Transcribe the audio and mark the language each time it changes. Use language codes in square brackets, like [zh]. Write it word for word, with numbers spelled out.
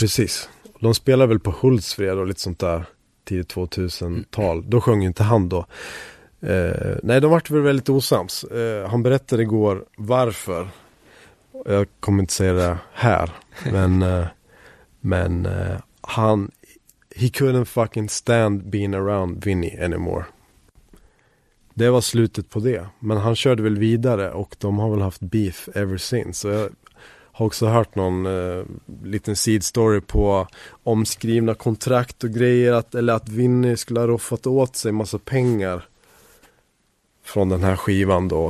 [sv] Precis. De spelade väl på Hultsfred och lite sånt där tidigt tvåtusen-tal. Mm. Då sjöng inte han då. Uh, nej, de vart väl väldigt osams. Uh, han berättade igår varför. Jag kommer inte säga det här. men uh, men uh, han... [en] He couldn't fucking stand being around Vinny anymore. [sv] Det var slutet på det. Men han körde väl vidare, och de har väl haft beef [en] ever since. [sv] Så jag har också hört någon eh, liten side story på omskrivna kontrakt och grejer. Att, eller att Vinny skulle ha roffat åt sig massa pengar från den här skivan då.